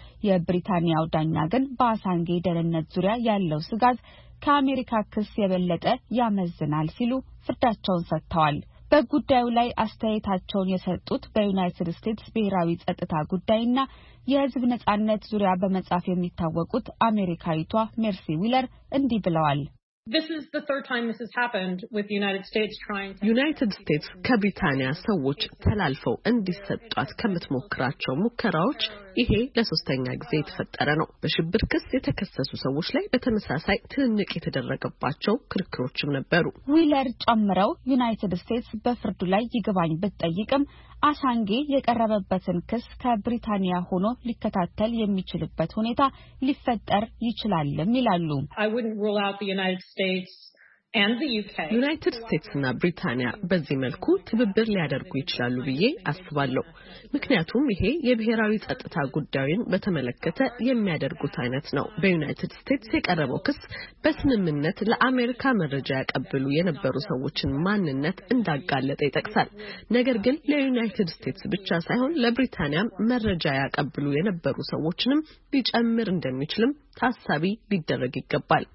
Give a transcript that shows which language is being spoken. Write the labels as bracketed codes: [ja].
[am] የብሪታንያው ዳኛ ግን በአሳንጌ ደረነት ዙሪያ ያለው ስጋት ከአሜሪካ ክስ የበለጠ ያመዝናል ሲሉ ፍርዳቸውን ሰጥተዋል። በጉዳዩ ላይ አስተያየታቸውን የሰጡት በዩናይትድ ስቴትስ ብሔራዊ ጸጥታ ጉዳይና የህዝብ ነጻነት ዙሪያ በመጻፍ የሚታወቁት አሜሪካዊቷ ሜርሲ ዊለር እንዲህ ብለዋል። [en] This is the third time this has happened with the United States trying to [am] United States ከብሪታንያ ሰዎች ተላልፈው እንዲሰጧት ከመትሞክራቸው ሙከራዎች ይሄ ለሶስተኛ ጊዜ የተፈጠረ ነው። በሽብር ክስ የተከሰሱ ሰዎች ላይ በተመሳሳይ ትንንቅ የተደረገባቸው ክርክሮችም ነበሩ። ዊለር ጨምረው ዩናይትድ ስቴትስ በፍርዱ ላይ ይግባኝ ብትጠይቅም አሳንጌ የቀረበበትን ክስ ከብሪታንያ ሆኖ ሊከታተል የሚችልበት ሁኔታ ሊፈጠር ይችላል ይላሉ። [en] I wouldn't rule out the United States and the UK. [am] ዩናይትድ ስቴትስ እና ብሪታንያ በዚህ መልኩ ትብብር ሊያደርጉ ይችላሉ ብዬ አስባለሁ። ምክንያቱም ይሄ የብሔራዊ ጸጥታ ጉዳይን በተመለከተ የሚያደርጉት አይነት ነው። በዩናይትድ ስቴትስ የቀረበው ክስ በስምምነት ለአሜሪካ መረጃ ያቀብሉ የነበሩ ሰዎችን ማንነት እንዳጋለጠ ይጠቅሳል። ነገር ግን ለዩናይትድ ስቴትስ ብቻ ሳይሆን ለብሪታንያም መረጃ ያቀብሉ የነበሩ ሰዎችንም ሊጨምር እንደሚችልም ታሳቢ ሊደረግ ይገባል።